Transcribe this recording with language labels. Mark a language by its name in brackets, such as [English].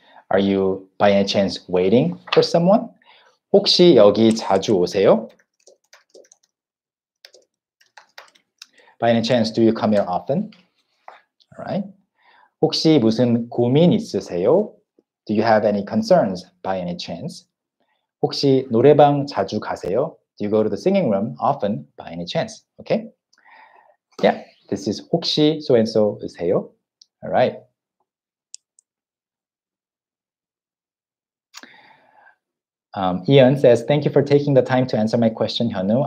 [English] Are you by any chance waiting for someone? [Korean] 혹시 여기 자주 오세요? [English] By any chance, do you come here often? All right. [Korean] 혹시 무슨 고민 있으세요? [English] Do you have any concerns by any chance? [Korean] 혹시 노래방 자주 가세요? [English] Do you go to the singing room often by any chance? Okay. Yeah, this is 혹시 so-and-so 으세요? All right. Ian says, thank you for taking the time to answer my question, Hyunwoo.